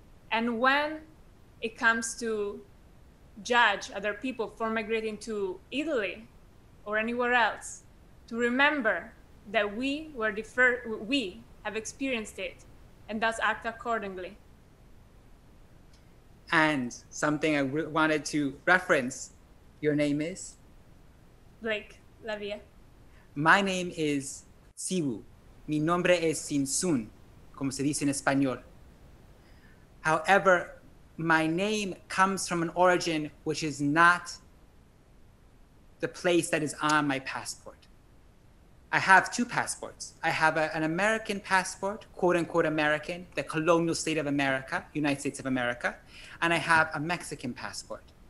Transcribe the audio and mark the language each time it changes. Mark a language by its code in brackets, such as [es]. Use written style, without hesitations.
[en] And when it comes to judge other people for migrating to Italy or anywhere else, to remember that we have experienced it and thus act accordingly. And something I wanted to reference, your name is? Blake Lavia. My name is Sibu. [es] Mi nombre es Sinsun, como se dice en español. [en] However, my name comes from an origin which is not the place that is on my passport. I have two passports. I have an American passport, quote unquote American, the colonial state of America, United States of America, and I have a Mexican passport.